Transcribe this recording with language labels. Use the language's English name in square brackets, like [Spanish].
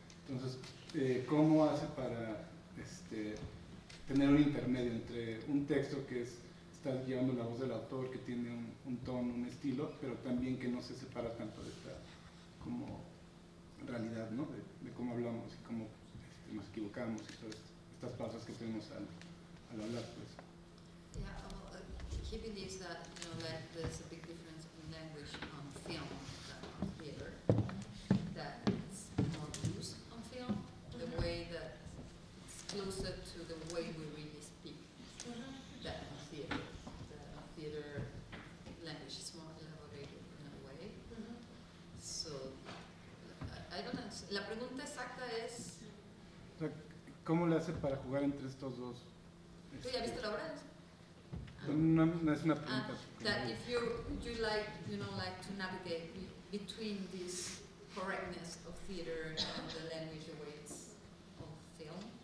[Spanish] Entonces, ¿cómo hace para tener un intermedio entre un texto que es, está llevando la voz del autor, que tiene un tono, un estilo, pero también que no se separa tanto de esta como realidad, ¿no? De cómo hablamos y cómo nos equivocamos y todas estas pausas que tenemos al hablar, pues. [English] Yeah, he believes that, you know, that there's a big difference in language on film than on theater. That it's more loose on film, the way that it's closer to the way we really speak than on theater. The theater language is more elaborated in a way. So, I don't know. [Spanish] La pregunta exacta es. O sea, ¿cómo le hace para jugar entre estos dos? ¿Tú ya viste la obra? No es una pregunta. [English] That if you like, you know, like to navigate between this correctness of theater and the language of ways of film.